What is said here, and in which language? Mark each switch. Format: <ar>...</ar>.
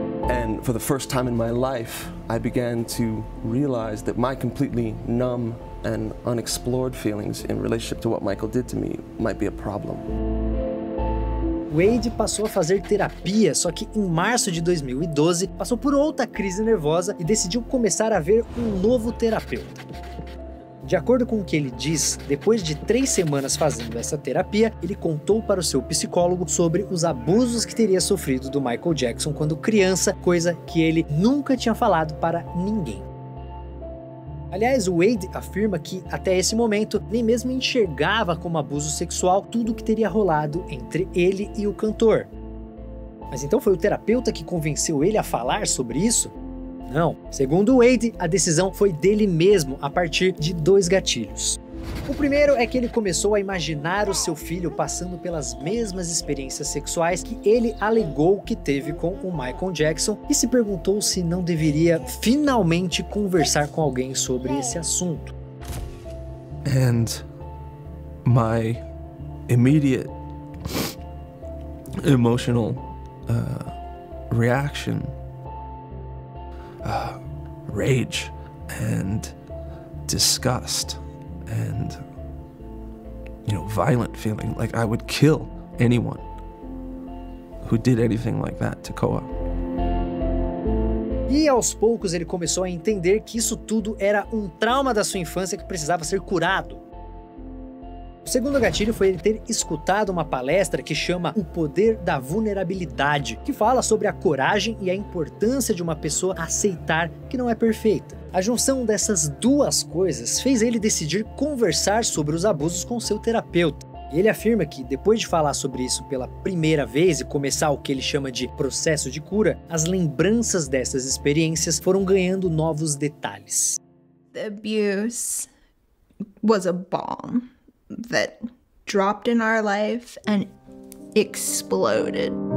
<en>And for the first time in my life, I began to realize that my completely numb and unexplored feelings in relationship to what Michael did to me might be a problem.</en> <pt>Wade passou a fazer terapia, só que em março de 2012, passou por outra crise nervosa e decidiu começar a ver um novo terapeuta. De acordo com o que ele diz, depois de 3 semanas fazendo essa terapia, ele contou para o seu psicólogo sobre os abusos que teria sofrido do Michael Jackson quando criança, coisa que ele nunca tinha falado para ninguém. Aliás, o Wade afirma que, até esse momento, nem mesmo enxergava como abuso sexual tudo o que teria rolado entre ele e o cantor. Mas então foi o terapeuta que convenceu ele a falar sobre isso? Não. Segundo o Wade, a decisão foi dele mesmo, a partir de 2 gatilhos. O primeiro é que ele começou a imaginar o seu filho passando pelas mesmas experiências sexuais que ele alegou que teve com o Michael Jackson e se perguntou se não deveria finalmente conversar com alguém sobre esse assunto.</pt> <en>And my immediate emotional reaction, rage and disgust. And, you know, violent feeling, like I would kill anyone who did anything like that to Koa.</en> <pt>E aos poucos ele começou a entender que isso tudo era um trauma da sua infância que precisava ser curado. O segundo gatilho foi ele ter escutado uma palestra que chama O Poder da Vulnerabilidade, que fala sobre a coragem e a importância de uma pessoa aceitar que não é perfeita. A junção dessas duas coisas fez ele decidir conversar sobre os abusos com seu terapeuta. Ele afirma que, depois de falar sobre isso pela primeira vez e começar o que ele chama de processo de cura, as lembranças dessas experiências foram ganhando novos detalhes.</pt> <en>The abuse was a bomb that dropped in our life and exploded.</en>